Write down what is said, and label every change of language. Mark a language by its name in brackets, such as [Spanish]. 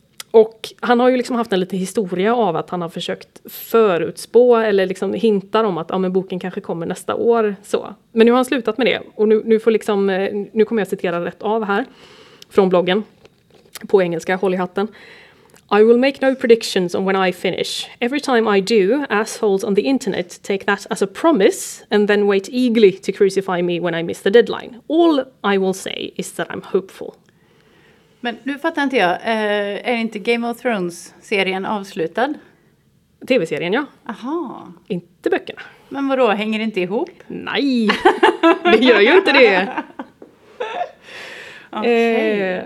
[Swedish] Och han har ju liksom haft en liten historia av att han har försökt förutspå eller liksom hintar om att ja, men boken kanske kommer nästa år. Så. Men nu har han slutat med det och nu får liksom, nu kommer jag citera rätt av här från bloggen på engelska, håll i hatten. [English] I will make no predictions on when I finish. Every time I do, assholes on the internet take that as a promise and then wait eagerly to crucify me when I miss the deadline. All I will say is that I'm hopeful. [Swedish] Men nu fattar inte jag, är inte Game of Thrones-serien avslutad? TV-serien, ja. Aha. Inte böckerna. Men vadå, hänger inte ihop? Nej, det gör ju inte det. Okay.